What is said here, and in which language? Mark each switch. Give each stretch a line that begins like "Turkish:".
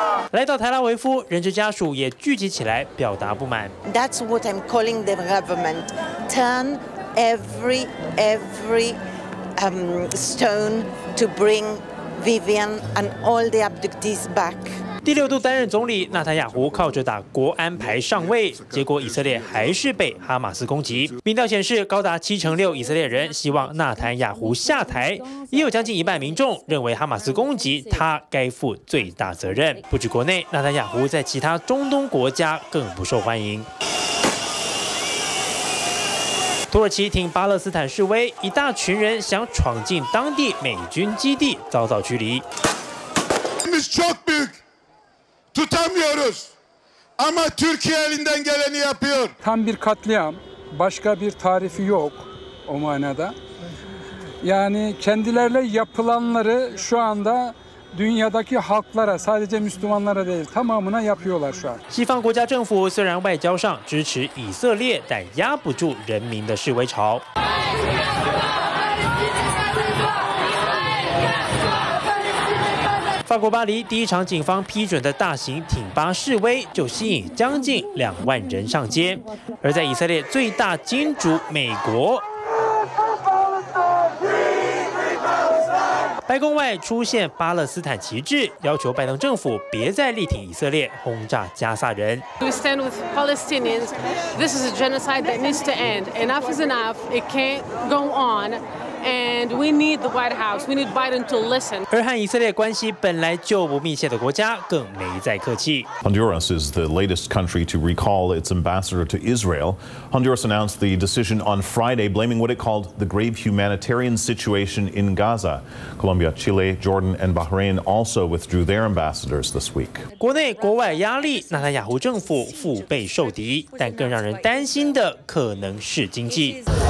Chinese: 来到特拉维夫，人质家属也聚集起来表达不满。
English: That's what I'm calling the government. Turn every stone to bring Vivian and all the abductees back.
Chinese: 第六度担任总理纳坦雅胡靠着打国安牌上位，结果以色列还是被哈马斯攻击。民调显示，高达76%以色列人希望纳坦雅胡下台，也有将近一半民众认为哈马斯攻击他该负最大责任。不止国内，纳坦雅胡在其他中东国家更不受欢迎。土耳其挺巴勒斯坦示威，一大群人想闯进当地美军基地，遭到驱离。
Turkish: Tutamıyoruz ama Türkiye elinden geleni yapıyor. Tam bir katliam, başka bir tarifi yok o manada. Yani kendilerine yapılanları şu anda dünyadaki halklara, sadece Müslümanlara değil, tamamına yapıyorlar şu an.
Chinese: 西方国家政府虽然外交上支持以色列，但压不住人民的示威潮。法国巴黎第一场警方批准的大型挺巴示威就吸引将近20,000人上街，而在以色列最大金主美国，白宫外出现巴勒斯坦旗帜，要求拜登政府别再力挺以色列轰炸加萨人。
English: We stand with Palestinians. This is a genocide that needs to end. Enough is enough. It can't go on. And we need the White House. We need Biden to listen.
Chinese: 而和以色列关系本来就不密切的国家更没再客气。
English: Honduras is the latest country to recall its ambassador to Israel. Honduras announced the decision on Friday, blaming what it called the grave humanitarian situation in Gaza. Colombia, Chile, Jordan, and Bahrain also withdrew their ambassadors this week.
Chinese: 国内国外压力，纳坦雅胡政府腹背受敌，但更让人担心的可能是经济。